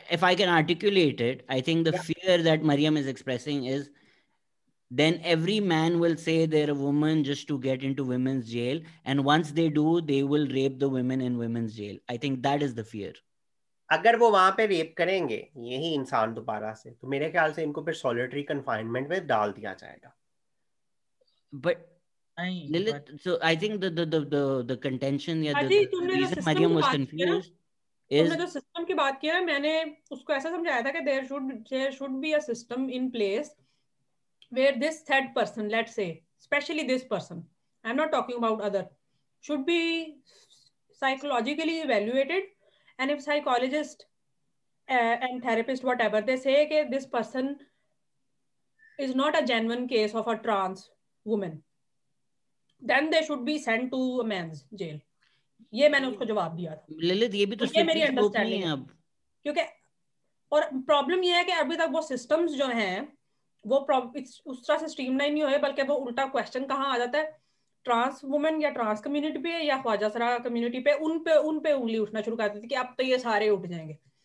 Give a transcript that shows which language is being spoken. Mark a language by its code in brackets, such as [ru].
[en] If I can articulate it, I think the fear that Maryam is expressing is then every man will say there a woman just to get into women's jail, and once they do they will rape the woman in women's jail. I think that is the fear. [hi] अगर वो वहां पे rape करेंगे यही इंसान दोबारा से, तो मेरे ख्याल से इनको फिर सॉलिटरी कन्फाइनमेंट में डाल दिया जाएगा. [en] but Lilith, but... so I think the contention yeah, the reason Mariam was confused is [hi] तुमने जो system की बात किया है, मैंने उसको ऐसा समझाया था कि [en] there should be a system in place where this third person, let's say specially this person, I'm not talking about other, should be psychologically evaluated, and if psychologist and therapist whatever they say कि this person is not a genuine case of a trans woman, then they should be sent to a man's jail. [hi] ये मैंने उसको जवाब दिया था. Lilith, ये भी तो ये मेरी अंडरस्टैंडिंग है. क्योंकि और प्रॉब्लम ये है कि अभी तक वो सिस्टम्स जो हैं, वो उस तरह से स्ट्रीमलाइन नहीं हुए, बल्कि वो उल्टा क्वेश्चन कहाँ आ जाता है, ट्रांस वुमेन या ट्रांस कम्युनिटी पे या ख्वाजा सरा कम्युनिटी पे, उन पे उंगली उठना शुरू कर देती कि अब तो ये सारे उठ जाएंगे.